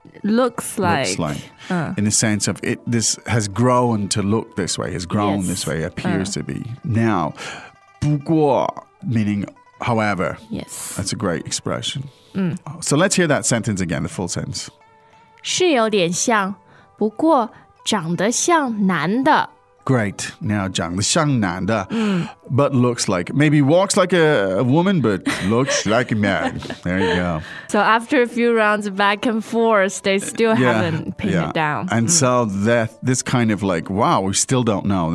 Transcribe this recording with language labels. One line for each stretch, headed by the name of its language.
English: Looks like、 In the sense of it, this has grown to look this way Has grown、this way Appears、to be Now
Chinese: 不过
English: meaning however Yes That's a great expression So let's hear that sentence again, the full sentence.
Chinese: 是有点像,不过长得像男的。
English: Great. Now,
Chinese: 长得像男的,
English: but looks like, maybe walks like a woman, but looks like a man. There you go. So after a few rounds back and forth, they still haven't pinned it down. And so that this kind of like, wow, we still don't know.